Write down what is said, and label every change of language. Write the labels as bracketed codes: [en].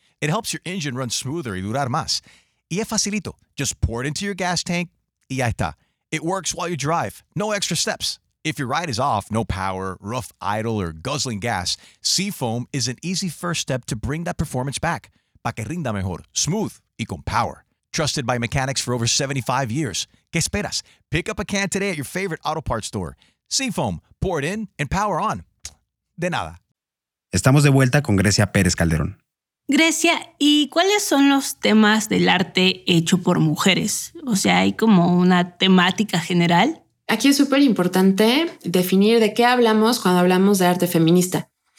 [en] It helps your engine run smoother [es] y durar más. Y es facilito. [en] Just pour it into your gas tank [es] y ya está. [en] It works while you drive. No extra steps. If your ride is off, no power, rough idle, or guzzling gas, Seafoam is an easy first step to bring that performance back. [es] Pa' que rinda mejor, smooth, y con power. [en] Trusted by mechanics for over 75 years. [es] ¿Qué esperas? [en] Pick up a can today at your favorite auto parts store. Seafoam. Pour it in and power on. [es] De nada. Estamos de vuelta con Grecia Pérez Calderón. Grecia, ¿y cuáles son los temas del arte hecho por mujeres? O sea, ¿hay como una temática general? Aquí es súper importante definir de qué hablamos cuando hablamos de arte feminista.